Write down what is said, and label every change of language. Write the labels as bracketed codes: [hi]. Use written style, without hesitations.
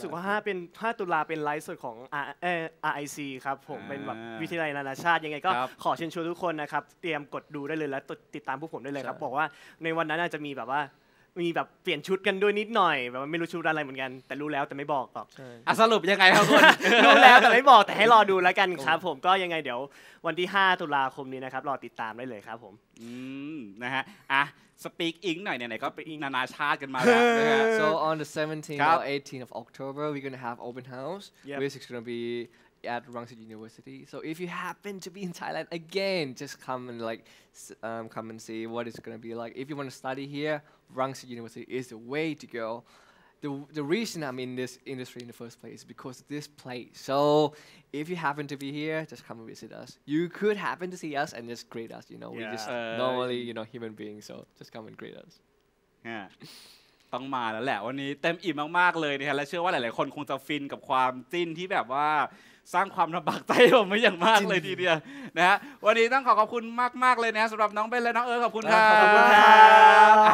[th] สึกว่า5เป็น5ตุลาเป็นไลฟ์สดของ RIC ครับผมเป็นแบบวิทยาลัยนานาชาติยังไงก็ขอเชิญชวนทุกคนนะครับเตรียมกดดูได้เลยและติดตามพวกผมได้เลยครับบอกว่าในวันนั้นอาจจะมีแบบว่ามีแบบเปลี่ยนชุดกันด้วยนิดหน่อยแบบไม่รู้ชุดอะไรเหมือนกันแต่รู้แล้วแต่ไม่บอกหรอก ใช่อ่ะสรุปยังไงครับคุณ รู้แล้วแต่ไม่บอกแต่ให้รอดูแล้วกันครับผมก็ยังไงเดี๋ยววันที่5ตุลาคมนี้นะครับรอติดตามได้เลยครับผม อืมนะฮะอ่ะสปีกอิงหน่อยเนี่ยไหนก็ไปอิงนานาชาติกันมาแล้วนะฮะ [en] So on the 17th or 18th of October we're going to have open house which is going to be at Rungsit University so if you happen to be in Thailand again just come and like come and see what it's going to be like if you want to study hereRungsit University is the way to go. The reason I'm in this industry in the first place is because of this place. So if you happen to be here, just come and visit us. You could happen to see us and just greet us. You know, yeah. We're just normally, you know, human beings. So just come and greet us. [th] Yeah. ต้องมาแล้วแหละวันนี้เต็มอิ่มมากๆเลยนะฮะและเชื่อว่าหลายๆคนคงจะฟินกับความจิ้นที่แบบว่าสร้างความลำบากใจผมไม่อย่างมากเลยทีเดียวนะฮะวันนี้ต้องขอขอบคุณมากๆเลยนะสำหรับน้องเบนและน้องเอิร์ธขอบคุณครับ ขอบคุณครับ